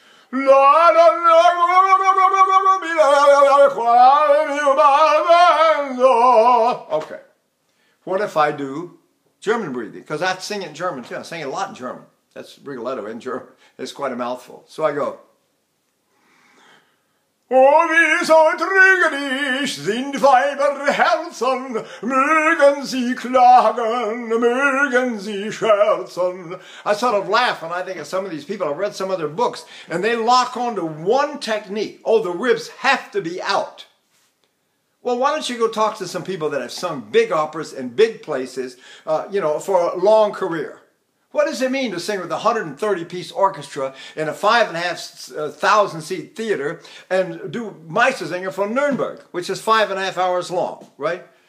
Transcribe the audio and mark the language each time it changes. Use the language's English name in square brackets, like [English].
[English] La donna mobile, quae fium ad lendam. Okay. What if I do German breathing? Because I sing it in German too. I sing it a lot in German. That's Rigoletto in German. It's quite a mouthful. So I go. [German] Oh, wie so trügerisch sind Weiberherzen, mögen sie klagen, mögen sie scherzen. [English] I sort of laugh when I think of some of these people. I've read some of their books, and they lock on to one technique. Oh, the ribs have to be out. Well, why don't you go talk to some people that have sung big operas in big places, you know, for a long career? What does it mean to sing with a 130-piece orchestra in a 5,500-seat theater and do Meistersinger from Nuremberg, which is 5.5 hours long, right?